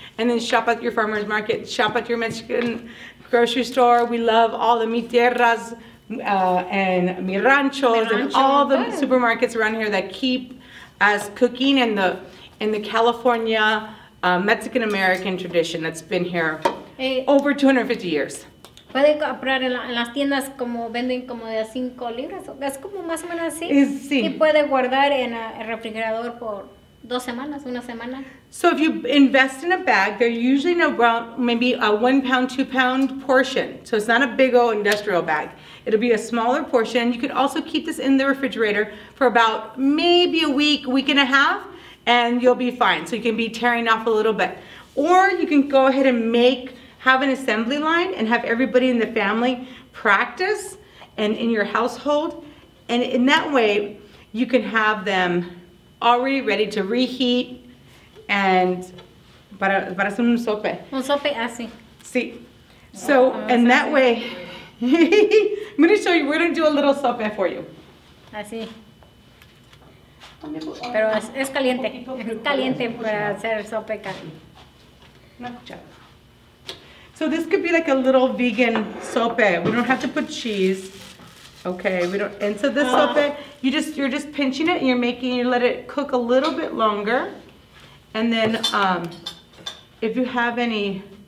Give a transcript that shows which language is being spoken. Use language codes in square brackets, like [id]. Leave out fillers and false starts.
[en] And then shop at your farmer's market. Shop at your Mexican grocery store. We love all the Mi Tierras and Mi Ranchos and all the supermarkets around here that keep us cooking in the California Mexican-American tradition that's been here over 250 years. [es] Puede comprar en las tiendas como venden como de 5 libras. Es como más o menos así. Sí. Y puede guardar en el refrigerador por 2 semanas, una semana. [en] So if you invest in a bag, they're usually in around maybe a 1 pound, 2 pound portion. So it's not a big old industrial bag. It'll be a smaller portion. You could also keep this in the refrigerator for about maybe a week, week and a half, and you'll be fine. So you can be tearing off a little bit. Or you can go ahead and have an assembly line and have everybody in the family practice and in your household. And in that way, you can have them already ready to reheat and [es] para hacer un sope. Un sope así. Sí. [en] So, and that way, I'm gonna show you, we're gonna do a little sope for you. [es] Así. Pero es caliente. Caliente para hacer sope caliente. [en] So this could be like a little vegan sope. We don't have to put cheese. Okay, we don't, and so this sope, you're just pinching it and you're making, you let it cook a little bit longer. And then if you have any